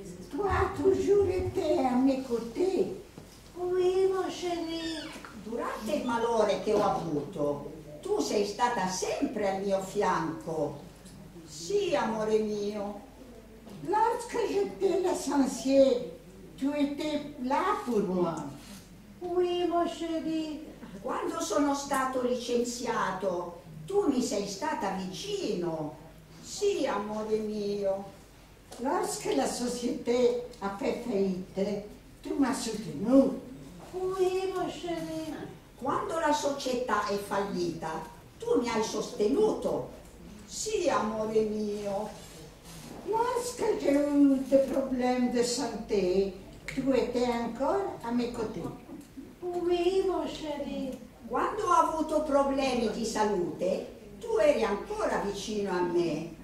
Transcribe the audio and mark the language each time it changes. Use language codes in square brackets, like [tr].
[fr] Toi, toujours étais à mes côtés. Oui, ma chérie. [it] Durante il malore che ho avuto, tu sei stata sempre al mio fianco. Sì, amore mio. [fr] Lorsque j'étais licencié, tu étais là pour moi. Oui, ma chérie. [it] Quando sono stato licenziato, tu mi sei stata vicino. Sì, amore mio. [fr] Lorsque la société a fait faillite, tu m'as soutenu. Oui, ma chérie. [it] Quando la società è fallita, tu mi hai sostenuto. Sì, amore mio. [fr] Lorsque j'ai eu des problèmes de santé, tu étais encore à mes côtés. Oui, ma chérie. [it] Quando ho avuto problemi di salute, tu eri ancora vicino a me.